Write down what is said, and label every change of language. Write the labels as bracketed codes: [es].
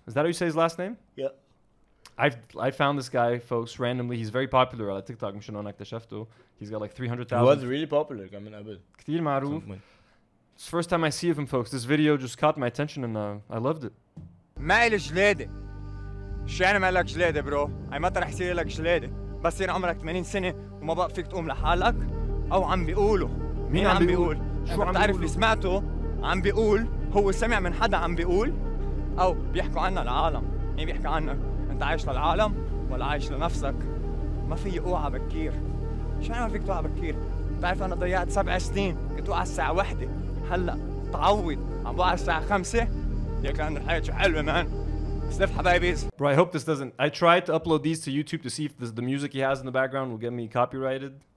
[en] Is that how you say his last name? Yeah. I found this guy, folks, randomly. He's very popular on TikTok. He's got like 300,000. He was really popular. I mean, [ar] كتير معروف. [en] It's the first time I see of him, folks. This video just caught my attention and I loved it. [ar] ما إلي جلادة. شو يعني ما إلك جلادة, bro? أي متى رح يصير لك جلادة؟ بس يصير عمرك 80 سنة وما بقى فيك تقوم لحالك؟ أو عم بيقولوا. مين عم بيقول؟ شو عم تعرف اللي سمعته عم بيقول هو سمع من حدا عم بيقول او بيحكوا عنا العالم مين بيحكي عنك انت عايش للعالم ولا عايش لنفسك ما في اوعى بكير شو عم فيك توعى بكير بتعرف انا ضيعت 7 سنين كنت اوعى الساعه 1 هلا تعود عم بوعى الساعه 5 ليك لان الحياه شو حلوه مان سلف حبايبيز [en] Bro, I hope this doesn't I tried to upload these to YouTube to see if the music he has in the background will get me copyrighted.